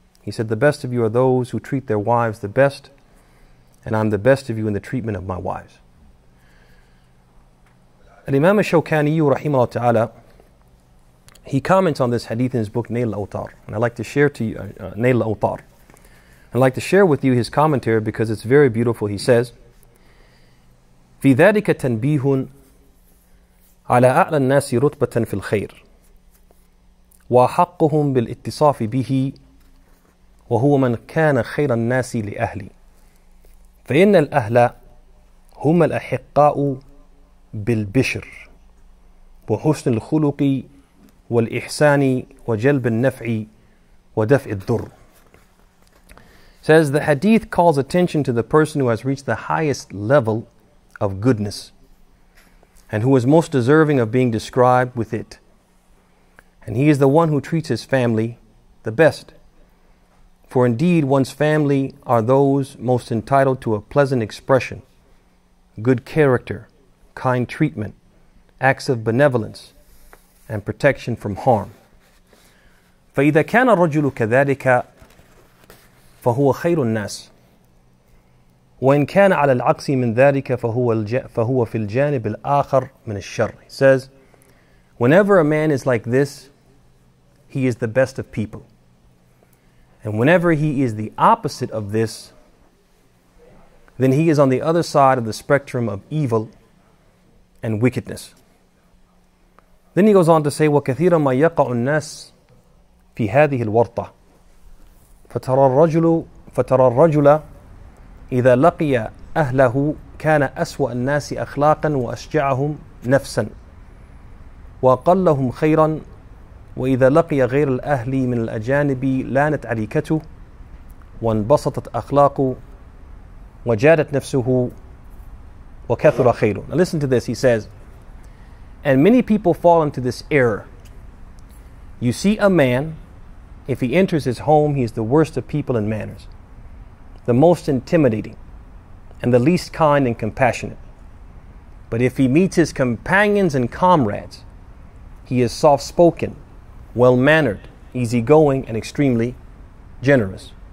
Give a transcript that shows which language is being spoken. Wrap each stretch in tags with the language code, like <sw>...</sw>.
<en>He said, the best of you are those who treat their wives the best, and I'm the best of you in the treatment of my wives. Al-Imam al-Shawkani rahimahullah ta'ala, he comments on this hadith in his book Nail al-Awtar. And I'd like to share to you Nail al-Awtar. I'd like to share with you his commentary because it's very beautiful. He says,</en> <ar>في ذلك تنبيه على أعلى الناس رتبة في الخير وحقهم بالاتصاف به وهو من كان خير الناس لأهلي فإن الأهل هم الأحقاء بالبشر وحسن الخلق والإحسان وجلب النفع ودفع الضر.</ar> <en>Says the hadith calls attention to the person who has reached the highest level of goodness and who is most deserving of being described with it. And he is the one who treats his family the best. For indeed, one's family are those most entitled to a pleasant expression, good character, kind treatment, acts of benevolence, and protection from harm.</en> <ar>فَإِذَا كَانَ الرَّجُلُ كَذَلِكَ فَهُوَ خَيْرُ النَّاسِ وَإِنْ كَانَ عَلَى الْعَقْسِ مِنْ ذَلِكَ فَهُوَ فِي الْجَانِبِ الْآخَرِ مِنَ الشَّرِّ.</ar> <en>He says, whenever a man is like this, he is the best of people. And whenever he is the opposite of this, then he is on the other side of the spectrum of evil and wickedness. Then he goes on to say,</en> <ar>وَكَثِيرًا مَا يَقَعُ النَّاسِ فِي هَذِهِ الْوَرْطَةِ فَتَرَى الرَّجُلَ إِذَا لَقِيَ أَهْلَهُ كَانَ أَسْوَأَ النَّاسِ أَخْلَاقًا وَأَشْجَعَهُمْ نَفْسًا وَأَقَلَّهُمْ خَيْرًا وَإِذَا لَقِيَ غَيْرَ الْأَهْلِ مِنَ الْأَجَانِبِ لَانَتْ عَلِيكَتُهُ وَانْبَسَطَتْ أَخْلَاقُ وَجَادَتْ نَفْسُهُ وَكَثُرَ خَيْرُ.</ar> <en>Now listen to this, he says, and many people fall into this error. You see a man, if he enters his home, he is the worst of people and manners, the most intimidating, and the least kind and compassionate. But if he meets his companions and comrades, he is soft-spoken, well-mannered, easygoing, and extremely generous.</en>